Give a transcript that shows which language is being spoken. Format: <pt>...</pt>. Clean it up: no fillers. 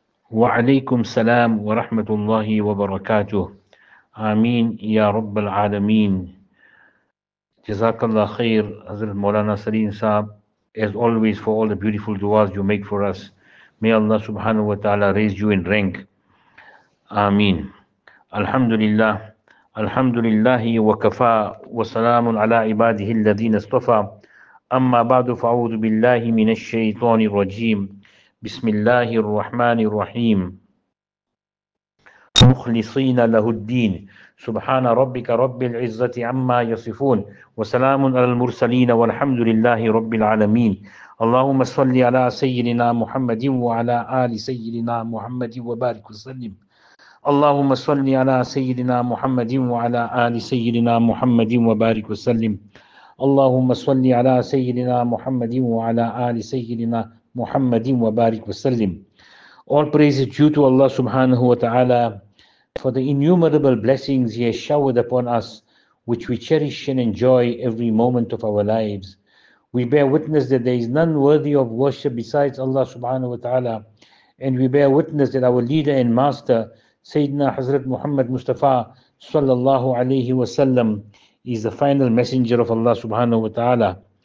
<ar>وعليكم السلام ورحمة الله وبركاته. آمين يا رب العالمين. جزاك الله خير حضرت مولانا سليم صاحب,</ar> <en>as always for all the beautiful duas you make for us. May Allah subhanahu wa ta'ala raise you in rank. آمين.</en> <ar>الحمد لله, الحمد لله وكفى وسلام على عباده الذين اصطفى. أما بعد, فأعوذ بالله من الشيطان الرجيم. بسم الله الرحمن الرحيم. مخلصين له الدين. سبحان ربك رب العزة عما يصفون. وسلام على المرسلين والحمد لله رب العالمين. اللهم صل على سيدنا محمد وعلى آل سيدنا محمد وبارك وسلم. اللهم صل على سيدنا محمد وعلى آل سيدنا محمد وبارك وسلم. اللهم صل على سيدنا محمد وعلى آل سيدنا محمد وبارك وسلم.</ar> <en>All praise is due to Allah subhanahu wa ta'ala for the innumerable blessings He has showered upon us, which we cherish and enjoy every moment of our lives. We bear witness that there is none worthy of worship besides Allah subhanahu wa ta'ala, and we bear witness that our leader and master, Sayyidina Hazrat Muhammad Mustafa sallallahu alayhi wa sallam, is the final messenger of Allah subhanahu wa ta'ala.</en>